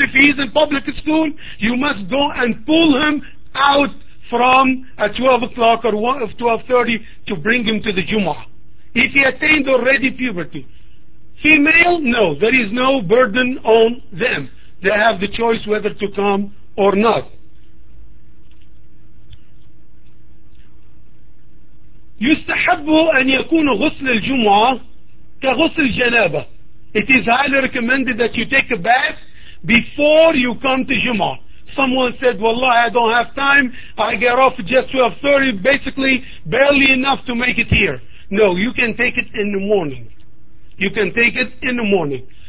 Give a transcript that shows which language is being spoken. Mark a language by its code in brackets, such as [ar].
[en] If he's in public school, you must go and pull him out from at 12 o'clock or 12:30 to bring him to the Jummah. If he attained already puberty. Female, no, there is no burden on them. They have the choice whether to come or not. [ar] يستحب أن يكون غسل الجمعة كغسل جنابة. [en] It is highly recommended that you take a bath before you come to Jummah. Someone said, wallahi, I don't have time. I get off just 12:30, basically barely enough to make it here. No, you can take it in the morning. You can take it in the morning.